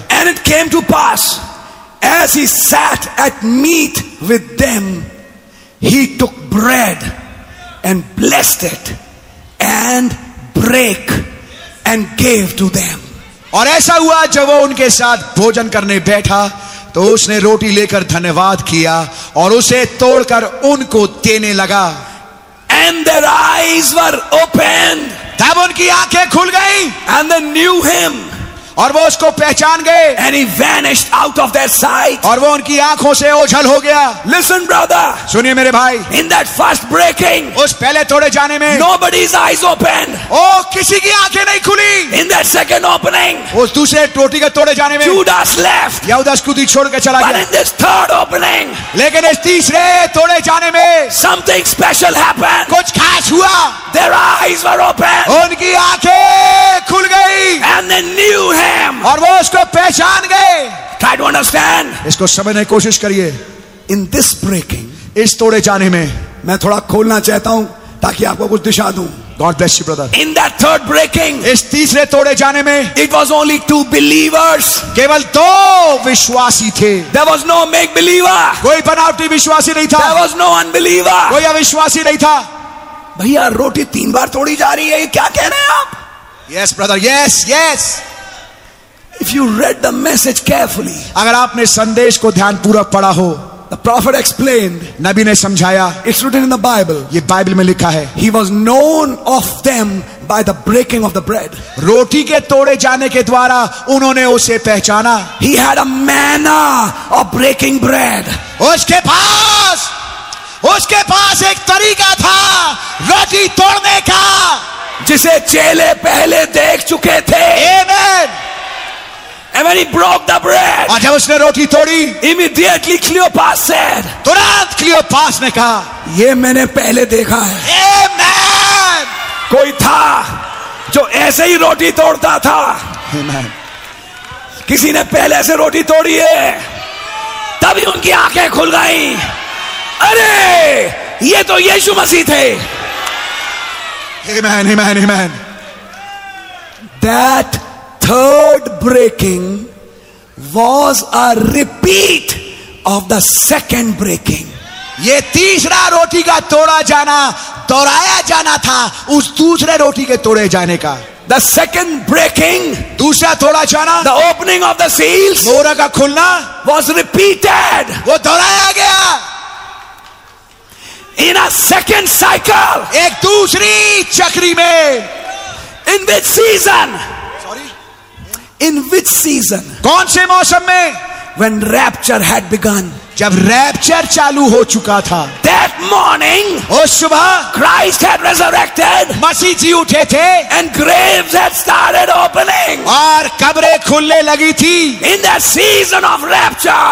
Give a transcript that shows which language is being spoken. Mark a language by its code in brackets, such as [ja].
[en] And it came to pass as he sat at meat with them, he took bread and blessed it and break and gave to them. [hi] और ऐसा हुआ जब वो उनके साथ भोजन करने बैठा तो उसने रोटी लेकर धन्यवाद किया और उसे तोड़कर उनको देने लगा. [en] And their eyes were opened. [hi] तब उनकी आंखें खुल गई. [en] And they knew him. [hi] और वो उसको पहचान गए. [en] And he vanished out of their sight. [hi] और वो उनकी आंखों से ओझल हो गया. [en] Listen, brother. [hi] सुनिए मेरे भाई. [en] In that first breaking. [hi] उस पहले तोड़े जाने में. [en] Nobody's eyes opened. [hi] ओ किसी की आंखें नहीं खुली. [en] In that second opening. [hi] उस दूसरे रोटी के तोड़े जाने में. [en] Judas left. [hi] यहूदा इस्क्रियोती छोड़ के चला गया. [en] But in this third opening. [hi] लेकिन इस तीसरे तोड़े जाने में. [en] Something special happened. [hi] कुछ खास हुआ. [en] Their eyes were opened. [hi] उनकी आंखें खुल गई. [en] And they knew him. [hi] और वो उसको पहचान गए. [en] Try to understand. [hi] इसको समझने की कोशिश करिए. [en] In this breaking, [hi] इस तोड़े जाने में, मैं थोड़ा खोलना चाहता हूं ताकि आपको कुछ दिशा दूं. [en] God bless you, brother. In that third breaking, [hi] इस तीसरे तोड़े जाने में, [en] it was only two believers. [hi] केवल दो विश्वासी थे. [en] There was no make believer. [hi] कोई बनावटी विश्वासी नहीं था. [en] There was no unbeliever. [hi] कोई अविश्वासी नहीं था. भैया रोटी तीन बार तोड़ी जा रही है, ये क्या कह रहे हैं आप? [en] Yes, brother. Yes, yes. If you read the message carefully, [hi] अगर आपने संदेश को ध्यान पूर्वक पढ़ा हो, [en] the prophet explained, [hi] नबी ने समझाया, [en] it's written in the Bible, [hi] ये बाइबल में लिखा है, [en] he was known of them by the breaking of the bread, [hi] रोटी के तोड़े जाने के द्वारा उन्होंने उसे पहचाना, [en] he had a manner of breaking bread, [hi] उसके पास उसके पास एक तरीका था रोटी तोड़ने का, जिसे चेले पहले देख चुके थे। [en] Amen. And when he broke the bread, [hi] और जब उसने रोटी तोड़ी, [en] immediately Cleopas said, [hi] तुरंत क्लियोपास ने कहा, ये मैंने पहले देखा है। [en] Amen. [hi] कोई था जो ऐसे ही रोटी तोड़ता था। [en] Amen. [hi] किसी ने पहले ऐसे रोटी तोड़ी है, तभी उनकी आंखें खुल गईं। अरे ये तो यीशु मसीह थे। [en] Amen, amen, amen. That third breaking was a repeat of the second breaking. [hi] ये तीसरा रोटी का तोड़ा जाना, दोहराया जाना था उस दूसरे रोटी के तोड़े जाने का। [en] The second breaking, [hi] दूसरा तोड़ा जाना, [en] the opening of the seals, [hi] मोहरा का खुलना, [en] was repeated. [hi] वो दोहराया गया। [en] In a second cycle, [hi] एक दूसरी चक्री में, [en] in which season? Sorry, in which season? [hi] कौन से मौसम में? [en] When rapture had begun, [hi] जब रैप्चर चालू हो चुका था। [en] That morning, [hi] उस सुबह, [en] Christ had resurrected, [hi] मसीह जी उठे थे, [en] and graves had started opening, [hi] और कब्रें खुलने लगी थी। [en] In that season of rapture,